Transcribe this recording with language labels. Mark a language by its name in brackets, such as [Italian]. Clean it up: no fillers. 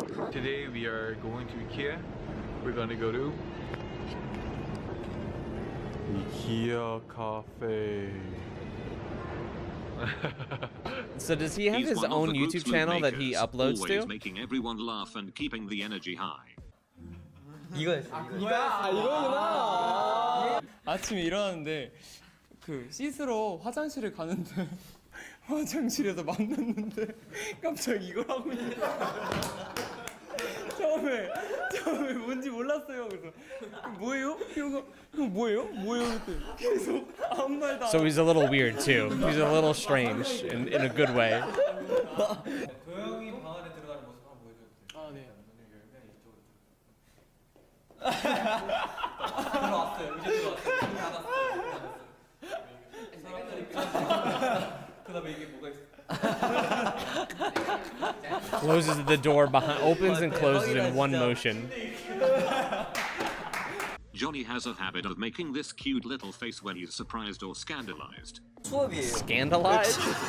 [English] Today, we are going to IKEA. We're going to go to IKEA Cafe. So does he have He's his own YouTube channel makers, that he uploads always to? Making everyone laugh and keeping the energy high. [Korean] 이거구나. 아침에 일어났는데 그 씻으러 화장실을 가는데 화장실에서 만났는데 깜짝 이걸 하고 있는 처음에 뭔지 몰랐어요. 그래서 뭐예요? 이거 뭐예요? 뭐예요? 이렇게 계속 아무 말도 [English] So he's a little weird too. He's a little strange in a good way. [Korean] 도영이 방 안에 들어가는 모습 한번 보여줘. 아 네. 문을 열면 이쪽으로 들어왔어요. 이제 들어왔어요. 이제 닫았어요. 그다음에 이게 뭐가 있어? [English] Closes the door behind, opens and closes in one motion. Johnny has a habit of making this cute little face when he's surprised or scandalized. Scandalized?